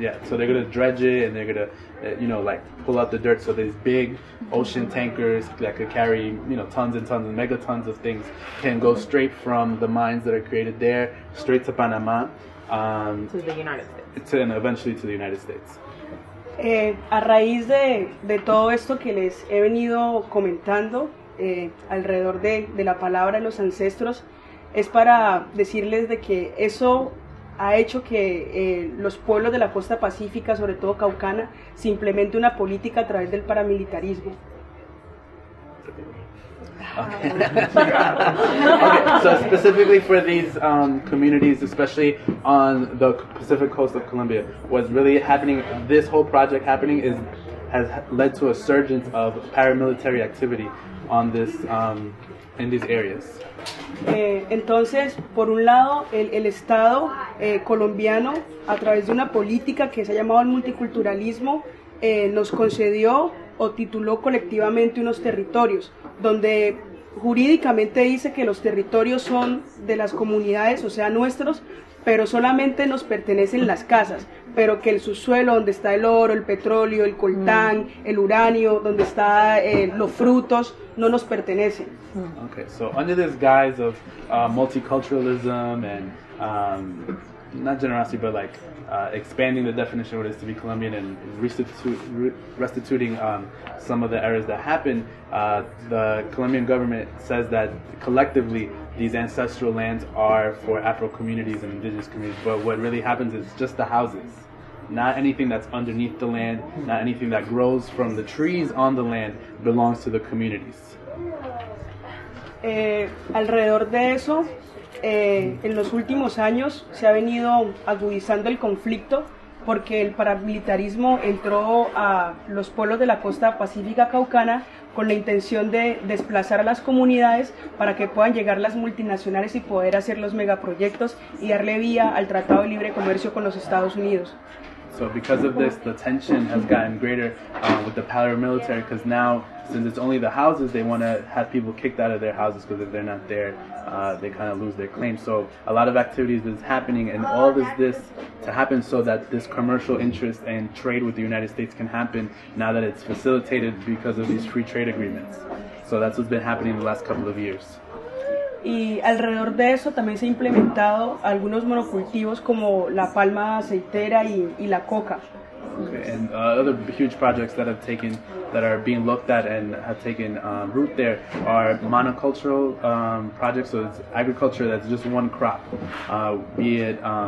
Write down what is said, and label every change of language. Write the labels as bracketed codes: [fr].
[en] Yeah, so they're going to dredge it and they're going to, pull out the dirt, so these big ocean tankers that could carry, tons and tons and megatons of things can go straight from the mines that are created there, straight to Panama. To the United States. And eventually to the United States. [es] A raíz de todo esto que les he venido comentando, alrededor de la palabra de los ancestros, es para decirles de que eso ha hecho que los pueblos de la costa pacífica, sobre todo caucana, se implemente una política a través del paramilitarismo. [en] Okay. Okay. So specifically for these communities, especially on the Pacific coast of Colombia, what's really happening, this whole project happening, has led to a surge of paramilitary activity on this in these areas. [es] Entonces, por un lado, el Estado colombiano, a través de una política que se ha llamado el multiculturalismo, nos concedió o tituló colectivamente unos territorios, donde jurídicamente dice que los territorios son de las comunidades, o sea, nuestros, pero solamente nos pertenecen las casas, pero que el subsuelo donde está el oro, el petróleo, el coltán, el uranio, donde están los frutos, no nos pertenecen. [en] Okay, so under this guise of multiculturalism and not generosity, but like expanding the definition of what it is to be Colombian and restituting some of the errors that happened, the Colombian government says that collectively these ancestral lands are for Afro communities and indigenous communities, but what really happens is just the houses. Not anything that's underneath the land, not anything that grows from the trees on the land belongs to the communities. [es] Alrededor de eso, en los últimos años se ha venido agudizando el conflicto porque el paramilitarismo entró a los pueblos de la costa pacífica caucana con la intención de desplazar a las comunidades para que puedan llegar las multinacionales y poder hacer los megaproyectos y darle vía al Tratado de Libre Comercio con los Estados Unidos. [en] So because of this, the tension has gotten greater with the paramilitary, because now, since it's only the houses, they want to have people kicked out of their houses, because if they're not there, they kind of lose their claim. So a lot of activities is happening, and all of this to happen so that this commercial interest and trade with the United States can happen now that it's facilitated because of these free trade agreements. So that's what's been happening the last couple of years. [es] Y alrededor de eso también se ha implementado algunos monocultivos como la palma aceitera y la coca. [en] Okay, and other huge projects that have taken, that are being looked at and have taken root there are monocultural projects, so it's agriculture that's just one crop, be it